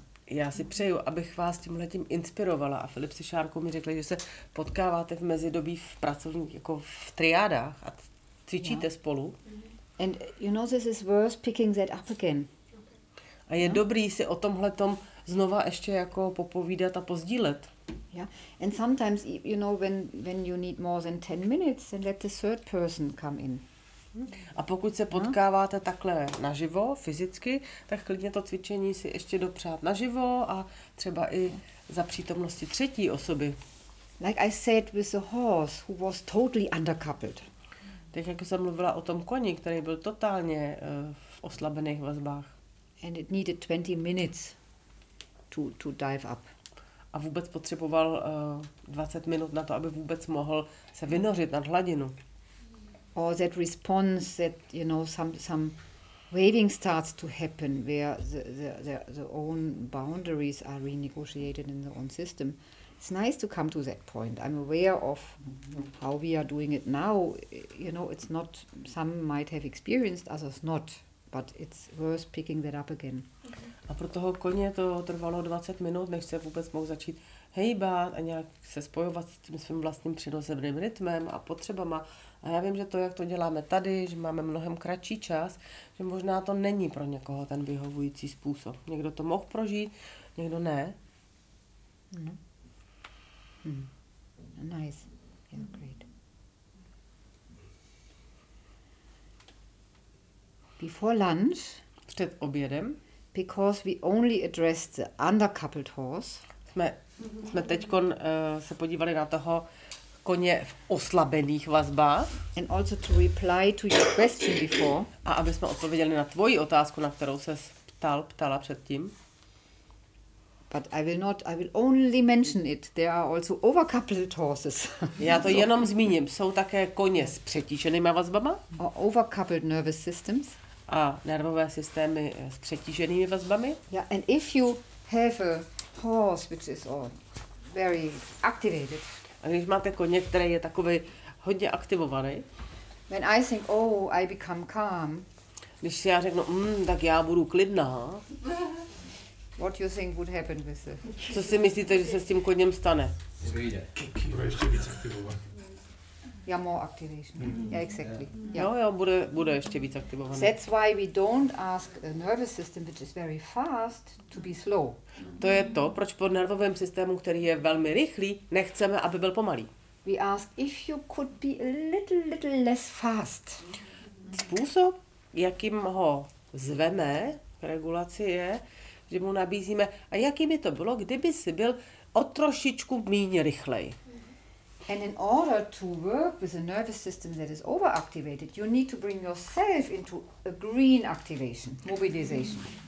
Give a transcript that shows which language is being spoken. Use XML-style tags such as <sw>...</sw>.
<cs>Já si přeju, abych vás tímhle tím inspirovala. A Filip si Šárkou mi řekli, že se potkáváte v mezidobí v pracovních, jako v triádách a cvičíte spolu.</cs> <en>And you know, this is worth picking that up again.</en> <cs>A je dobrý si o tomhle tom znova ještě jako popovídat a pozdílet.</cs> <en>Yeah. And sometimes, you know, when you need more than 10 minutes, then let the third person come in.</en> <cs>A pokud se potkáváte takhle naživo, fyzicky, tak klidně to cvičení si ještě dopřát naživo a třeba i za přítomnosti třetí osoby.</cs> <en>Like I said with the horse who was totally undercoupled.</en> <cs>Tak jak jsem mluvila o tom koni, který byl totálně v oslabených vazbách.</cs> <en>And it needed 20 minutes to dive up.</en> <cs>A vůbec potřeboval 20 minut na to, aby vůbec mohl se vynořit nad hladinu.</cs> <en>Or that response that, you know, some waving starts to happen where the own boundaries are renegotiated in the own system. It's nice to come to that point. I'm aware of how we are doing it now. You know, it's not, some might have experienced, others not, but it's worth picking that up again.</en> <cs>A pro toho koně to trvalo 20 minut, než se vůbec mohl začít hejbat a nějak se spojovat s tím svým vlastním přirozeným rytmem a potřebama. A já vím, že to, jak to děláme tady, že máme mnohem kratší čas, že možná to není pro někoho ten vyhovující způsob. Někdo to mohl prožít, někdo ne.</cs> <en>No. Mm. Nice. Yeah, great. Before lunch,</en> <cs>před obědem,</cs> <en>because we only addressed the undercoupled horse,</en> <cs>jsme teďkon se podívali na toho koně v oslabených vazbách,</cs> <en>and also to reply to your question before,</en> <cs>a aby jsme odpověděli na tvoji otázku, na kterou se ptala předtím.</cs> <en>But I will only mention it. There are also overcoupled horses.</en> <cs>Já to jenom zmíním. Jsou také koně s přetíženými vazbama?</cs> <en>Or overcoupled nervous systems.</en> <cs>A nervové systémy s přetíženými vazbami?</cs> <en>Yeah, and if you have a horse which is all very activated.</en> <cs>A když máte koně, který je takový hodně aktivovaný?</cs> <en>When I think, oh, I become calm.</en> <cs>Když si já řeknu, tak já budu klidná.</cs> <en>What you think would happen with it?</en> <cs>Co si myslíte, že se s tím koněm stane? Bude ještě víc aktivovaný.</cs> <en>Yeah, more activation. Yeah, exactly. Yeah.</en> <cs>Bude ještě víc aktivovaný.</cs> <en>That's why we don't ask a nervous system which is very fast to be slow.</en> <cs>To je to, proč po nervovém systému, který je velmi rychlý, nechceme, aby byl pomalý.</cs> <en>We ask if you could be a little less fast.</en> <cs>Způsob, jakým ho zveme k regulaci, je, že mu nabízíme, a jaký by to bylo, kdyby si byl o trošičku méně rychlej.</cs> <en>And in order to work with a nervous system that is overactivated, you need to bring yourself into a green activation, mobilization.</en>